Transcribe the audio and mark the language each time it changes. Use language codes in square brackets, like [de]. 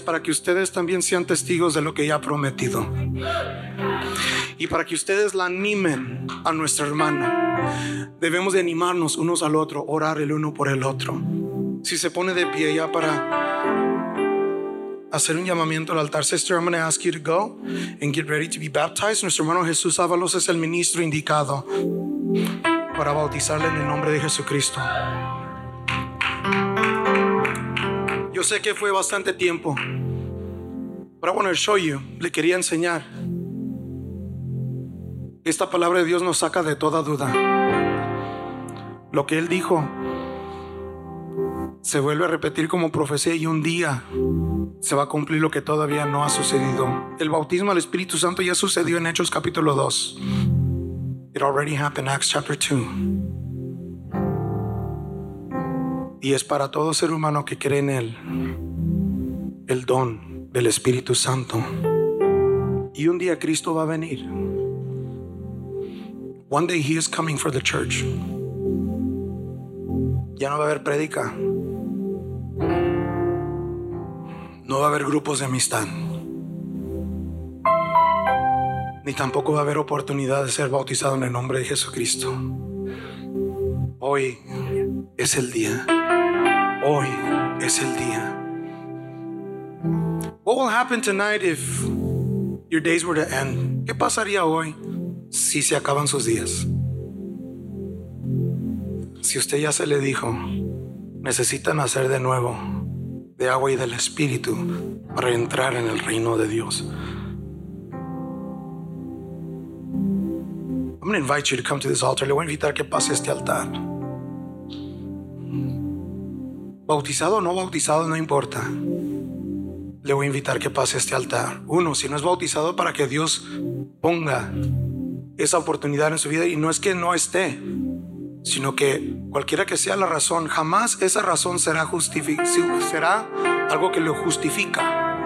[es] Para que ustedes también sean testigos de lo que ya ha prometido. Y para que ustedes la animen a nuestra hermana. Debemos de animarnos unos al otro, orar el uno por el otro. Si se pone de pie ya para hacer un llamamiento al altar. [en] Sister, I'm going to ask you to go and get ready to be baptized. [es] Nuestro hermano Jesús Ábalos es el ministro indicado para bautizarle en el nombre de Jesucristo. Yo sé que fue bastante tiempo, [en] but I want to show you. [es] Le quería enseñar. Esta palabra de Dios nos saca de toda duda. Lo que Él dijo se vuelve a repetir como profecía y un día se va a cumplir lo que todavía no ha sucedido. El bautismo al Espíritu Santo ya sucedió en Hechos capítulo 2. [en] It already happened, Acts chapter 2. [es] Y es para todo ser humano que cree en Él, el don del Espíritu Santo. Y un día Cristo va a venir. [en] One day He is coming for the church. [es] Ya no va a haber prédica. No va a haber grupos de amistad. Ni tampoco va a haber oportunidad de ser bautizado en el nombre de Jesucristo. Hoy es el día. Hoy es el día. [en] What will happen tonight if your days were to end? [es] ¿Qué pasaría hoy si se acaban sus días? Si usted ya se le dijo, necesita nacer de nuevo, de agua y del Espíritu, para entrar en el reino de Dios. [en] I'm going to invite you to come to this altar. [es] Le voy a invitar a que pase a este altar. Bautizado o no bautizado, no importa. Le voy a invitar a que pase a este altar. Uno, si no es bautizado, para que Dios ponga esa oportunidad en su vida. Y no es que no esté, sino que cualquiera que sea la razón, jamás esa razón será algo que lo justifica.